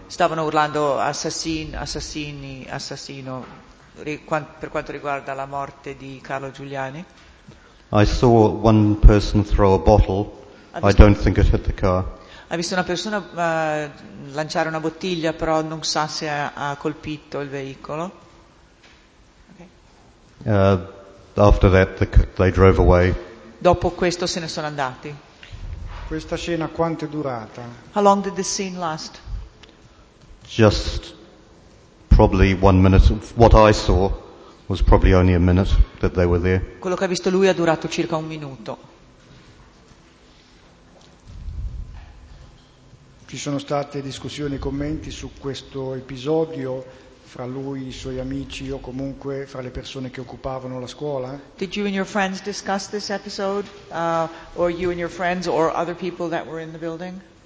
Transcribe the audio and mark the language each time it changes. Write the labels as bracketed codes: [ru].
[it] Stavano urlando assassino per quanto riguarda la morte di Carlo Giuliani. [en] I saw one person throw a bottle. I don't think it hit the car. [it] Ha visto una persona lanciare una bottiglia, però non sa se ha colpito il veicolo. [en] After that, they drove away. [it] Dopo questo se ne sono andati. Questa scena quanto è durata? [en] How long did this scene last? Just probably 1 minute. What I saw was probably only a minute that they were there. [it] Quello che ha visto lui ha durato circa un minuto. Ci sono state discussioni e commenti su questo episodio fra lui, i suoi amici o comunque fra le persone che occupavano la scuola? [en] Did you and your friends discuss this episode, or you and your friends or other people that were in the building?